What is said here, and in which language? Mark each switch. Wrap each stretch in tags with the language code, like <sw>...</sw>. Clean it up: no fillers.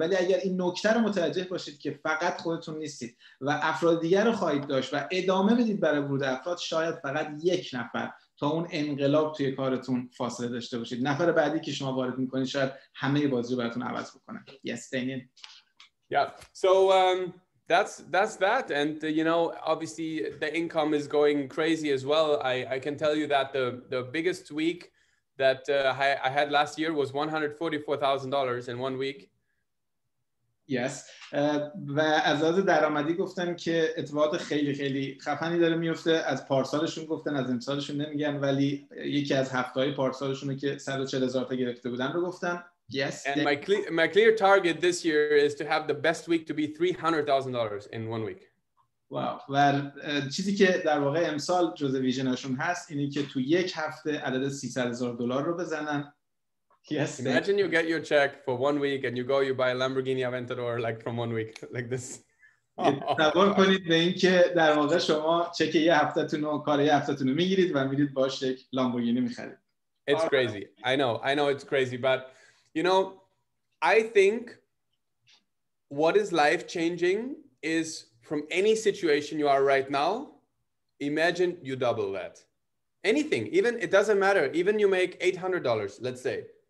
<fa>ولی اگر این نکته رو متوجه باشید که فقط خودتون نیستید و افراد دیگر رو خواهید داشت و ادامه بدید برای ورود افراد، شاید فقط یک نفر تا اون انقلاب توی کارتون فاصله داشته باشید. نفر بعدی که شما وارد میکنید شاید همه بازی رو براتون عوض بکنه.</fa> <en>Yes, Daniel. Yeah. So that's that. And you know, obviously the income is going crazy as well. I can tell you that the biggest week that I had last year was $144,000 in one week. Yes.</en> <fa>و از لحاظ درآمدی گفتن که اتفاقات خیلی خیلی خفنی داره میفته. از پارسالشون گفتن، از امسالشون نمیگن، ولی یکی از هفته‌های پارسالشون که 140,000 تا گرفته بودن رو گفتن.</fa> <en>Yes. And my clear target this year is to have the best week to be $300,000 in one week. Wow.</en> <fa>و چیزی که در واقع امسال جزء ویژنشون هست اینه که تو یک هفته عدد $300,000 رو بزنن.</fa> <en>Yes. Imagine you get your check for one week and you go, you buy a Lamborghini Aventador like from one week, like this.</en> <fa>تصور کنید به اینکه در واقع شما چک یه هفتهتون و کار یه هفتهتون رو میگیرید و میرید باش یک لامبورگینی میخرید.</fa> <en>It's crazy. I know it's crazy, but you know, I think what is life changing is from any situation you are right now, imagine you double that. Anything, even it doesn't matter, even you make $800, let's say.</en>